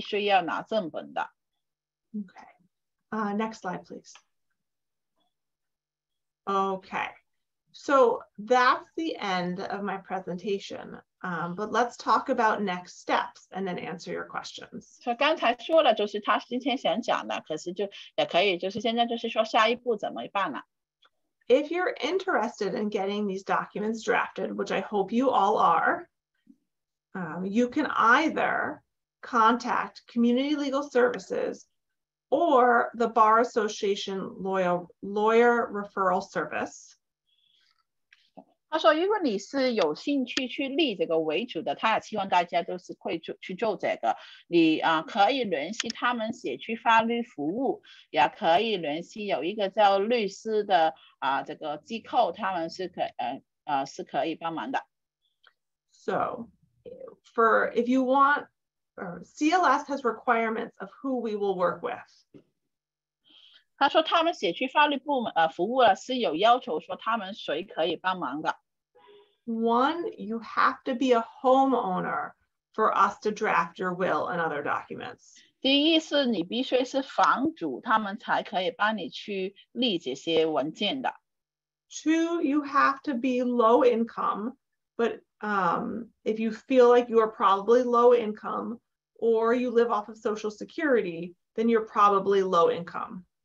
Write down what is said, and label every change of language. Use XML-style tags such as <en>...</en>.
<zh>他说你的正本是非常重要的，因为你是需要，当你去登记你的这个遗嘱的话，你是必须要拿正本的。Okay.</zh> <en>Next slide, please. Okay. So that's the end of my presentation, but let's talk about next steps and then answer your questions.</en> <zh>So 刚才说了，就是他今天想讲的，可是就也可以，就是现在就是说下一步怎么办呢？</zh> <en>If you're interested in getting these documents drafted, which I hope you all are, you can either contact Community Legal Services or the Bar Association Lawyer Referral Service.</en> <zh>他说，如果你是有兴趣去立这个遗嘱的，他也希望大家都是会去做这个。你可以联系他们社区法律服务，也可以联系有一个叫律师的这个机构，他们是可以帮忙的。</zh> <en>So, if you want, CLS has requirements of who we will work with.</en> <zh>他说他们社区法律部门服务是有要求说他们谁可以帮忙的。</zh> <en>One, you have to be a homeowner for us to draft your will and other documents.</en> <zh>第一是你必须是房主，他们才可以帮你去立这些文件的。</zh> <en>Two, you have to be low income, but if you feel like you are probably low income or you live off of Social Security, then you're probably low income.</en>